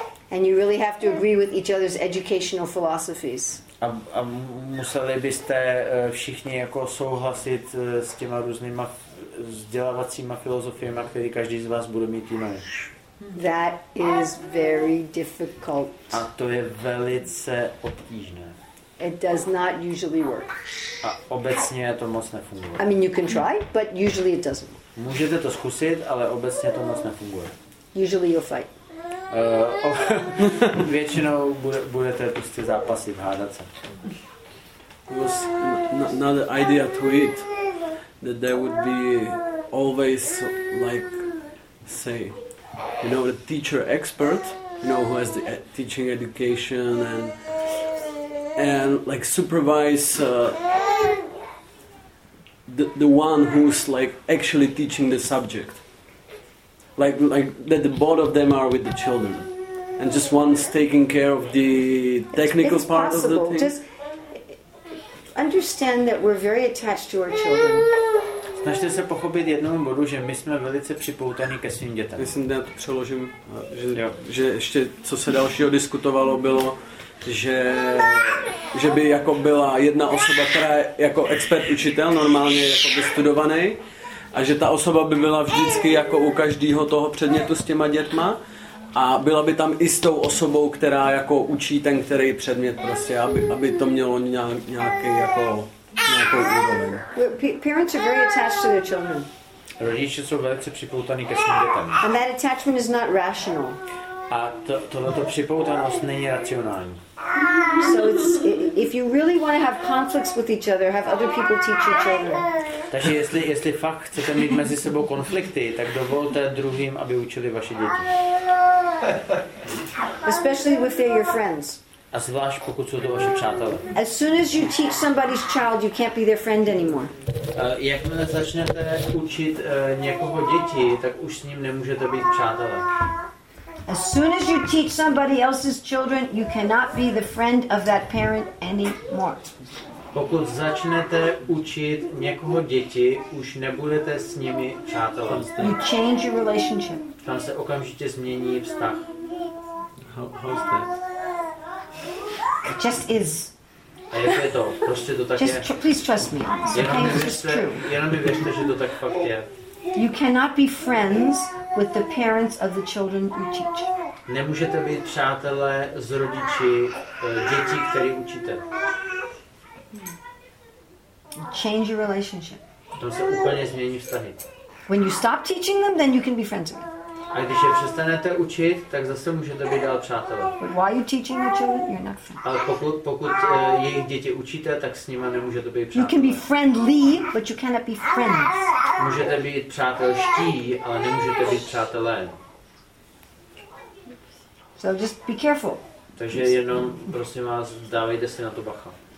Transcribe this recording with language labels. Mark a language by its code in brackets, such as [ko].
[en] And you really have to agree with each other's educational philosophies. [cs] A museli byste všichni jako souhlasit s těma různýma vzdělávacíma filozofiema, který každý z vás bude mít jiné. [en] That is very difficult. [cs] A to je velice obtížné. [en] It does not usually work. [cs] A obecně to moc nefunguje. [en] I mean, you can try, but usually it doesn't. [cs] Můžete to zkusit, ale obecně to moc nefunguje. [en] Usually you'll fight. [cs] Většinou budete prostě zápasit, hádat se. [en] Was another idea to it. That there would be always, like, say, you know, the teacher expert, you know, who has the teaching education and like supervise the one who's like actually teaching the subject, like that the both of them are with the children, and just one's taking care of the technical it's part possible. Of the thing. Just understand that we're very attached to our children. [cs] Snažte se pochopit jednomu bodu, že my jsme velice připoutaní ke svým dětem. Myslím, že já to přeložím, že ještě co se dalšího diskutovalo, bylo, že by jako byla jedna osoba, která je jako expert učitel, normálně jako vystudovaný, A že ta osoba by byla vždycky jako u každého toho předmětu s těma dětma a byla by tam i s tou osobou, která jako učí ten který předmět prostě, aby to mělo nějaký jako nějakou úroveň. [en] Parents are very attached to their children. [cs] Rodiče jsou velice připoutaní ke svým dětem. [en] And that attachment is not rational. [cs] A tohleto připoutanost není racionální. [en] So it's, if you really want to have conflicts with each other, have other people teach your children. [cs] Takže jestli fakt chcete mít mezi sebou konflikty, tak dovolte druhým, aby učili vaše děti. [en] Especially if they're your friends. [cs] A zvlášť pokud jsou to vaše přátelé. [en] As soon as you teach somebody's child, you can't be their friend anymore. [cs] Jakmile začnete učit někoho děti, tak už s ním nemůžete být přátelé. [en] As soon as you teach somebody else's children, you cannot be the friend of that parent anymore. [cs] Pokud začnete učit někoho děti, už nebudete s nimi přátelem. [en] You change your relationship. [cs] Tam se okamžitě změní vztah. [en] How's that? It just is. [cs] A jak je to? Prostě to tak [en] just [cs] je. [en] Please trust me. [cs] Jenom mi věřte, že to tak fakt je. [en] You cannot be friends with the parents of the children you teach. [cs] Nemůžete být přátelé s rodiči dětí, které učíte. [en] Change your relationship. [cs] To se úplně změní vztahy. [en] When you stop teaching them, then you can be friends again. [cs] A když je přestanete učit, tak zase můžete být dál přátelé. [en] But why are you teaching the children? You're not friends. [cs] Ale pokud jejich děti učíte, tak s nima nemůžete být přátelé. [en] You can be friendly, but you cannot be friends. [cs] Můžete být přátelští, ale nemůžete být přátelé. [en] So just be careful. [cs] Takže jenom prosím vás, dávejte si na to bacha.